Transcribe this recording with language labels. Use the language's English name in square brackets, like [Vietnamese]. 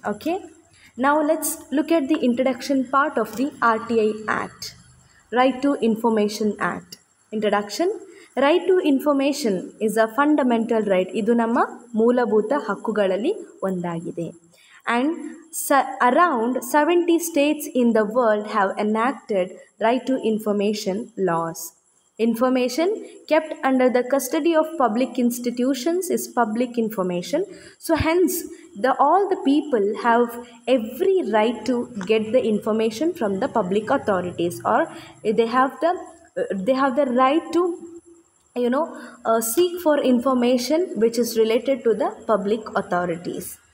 [English] Okay, now let's look at the introduction part of the RTI Act, Right to Information Act. Introduction. Right to information is a fundamental right. [Kannada] ಇದು ನಮ್ಮ ಮೂಲಭೂತ ಹಕ್ಕುಗಳಲ್ಲಿ ಒಂದಾಗಿದೆ. [English] And around 70 states in the world have enacted right to information laws. Information kept under the custody of public institutions is public information. So hence, all the people have every right to get the information from the public authorities, or they have the right to, you know, seek for information which is related to the public authorities.